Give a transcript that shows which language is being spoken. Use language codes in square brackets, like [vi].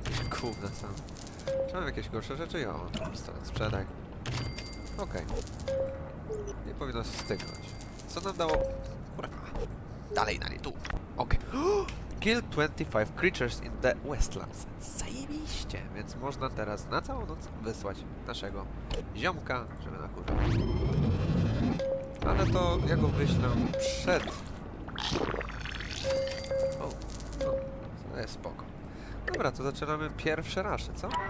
[pl] Kurde sam. Czy mam jakieś gorsze rzeczy? Ja mam pistolet. Sprzedaj. Okej. Okay. Nie powinno się styknąć. Co nam dało? Kurwa. Dalej, tu. Okej. Okay. [en] Kill 25 creatures in the Westlands. [pl] Zajebiście! Więc można teraz na całą noc wysłać naszego ziomka, żeby nakurzał. Ale to ja go wyślę przed... O, to jest spoko. Dobra, to zaczynamy pierwsze rasze, co?